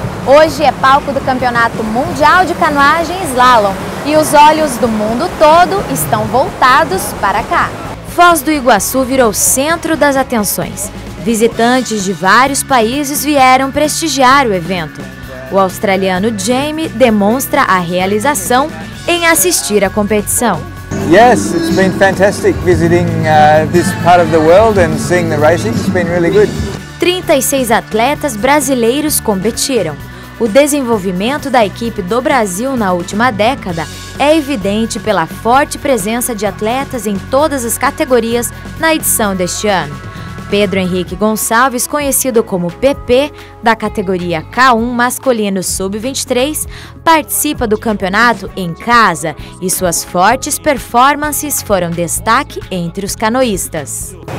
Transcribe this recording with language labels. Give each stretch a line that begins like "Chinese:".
Portuguese: Hoje é palco do Campeonato Mundial de Canoagem Slalom e os olhos do mundo todo estão voltados para cá. Foz do Iguaçu virou centro das atenções. Visitantes de vários países vieram prestigiar o evento. O australiano Jamie demonstra a realização em assistir à competição.
English: Yes, it's been fantastic visiting this part of the world and seeing the racing. It's been really good.
Portuguese: 36 atletas brasileiros competiram. O desenvolvimento da equipe do Brasil na última década é evidente pela forte presença de atletas em todas as categorias na edição deste ano. Pedro Henrique Gonçalves, conhecido como PP, da categoria K1 masculino sub-23, participa do campeonato em casa e suas fortes performances foram destaque entre os canoístas.